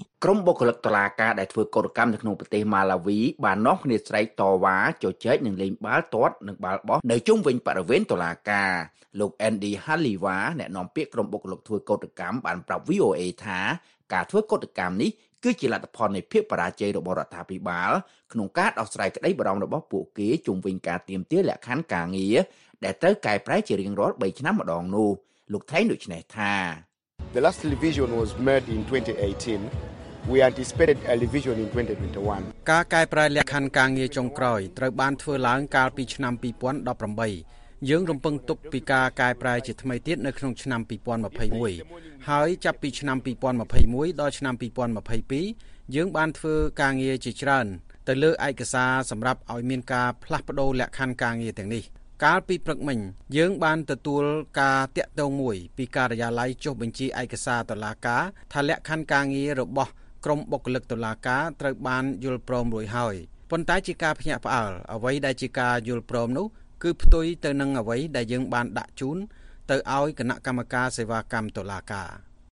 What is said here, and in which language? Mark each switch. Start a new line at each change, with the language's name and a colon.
Khmer: ក្រុមបុគ្គលិកតុលាការដែលធ្វើកោតកម្មនៅក្នុងប្រទេសម៉ាឡាវីបាននាំគ្នាស្រែកតវ៉ាជជែកនិងលេងបាល់ទាត់និងបាល់បោះនៅជុំវិញបរិវេណតុលាការលោក Andy Haliva អ្នកនាំពាក្យក្រុមបុគ្គលិកធ្វើកោតកម្មបានប្រាប់ VOA ថាការធ្វើកោតកម្មនេះគឺជាលទ្ធផលនៃភាពបរាជ័យរបស់រដ្ឋាភិបាលក្នុងការដោះស្រាយក្តីបារម្ភរបស់ពួកគេជុំវិញការទាមទារលក្ខខណ្ឌការងារដែលត្រូវកែប្រែជារៀងរាល់3ឆ្នាំម្ដងនោះលោកថៃដូចនេះថា
English: The last revision was made in 2018 we anticipated a revision in 2021
Khmer: ការកែប្រែលក្ខខណ្ឌការងារចុងក្រោយត្រូវបានធ្វើឡើងកាលពីឆ្នាំ2018យើងរំពឹងទុកពីការកែប្រែជាថ្មីទៀតនៅក្នុងឆ្នាំ2021ហើយចាប់ពីឆ្នាំ2021ដល់ឆ្នាំ 2022យើងបានធ្វើការងារជាច្រើនទៅលើឯកសារសម្រាប់ឲ្យមានការផ្លាស់ប្ដូរលក្ខខណ្ឌការងារទាំងនេះកាលពីព្រឹកមិញយើងបានទទួលការតាក់ទងមួយពីការិយាល័យចុះបញ្ជីឯកសារតុលាការថាលក្ខខណ្ឌការងាររបស់ក្រុមបុគ្គលិកតុលាការត្រូវបានយល់ព្រមរួចហើយប៉ុន្តែជាការភ្ញាក់ផ្អើលអ្វីដែលជាការយល់ព្រមនោះគឺផ្ទុយទៅនឹងអ្វីដែលយើងបានដាក់ជូនទៅឲ្យគណៈកម្មការសេវាកម្មតុលាការ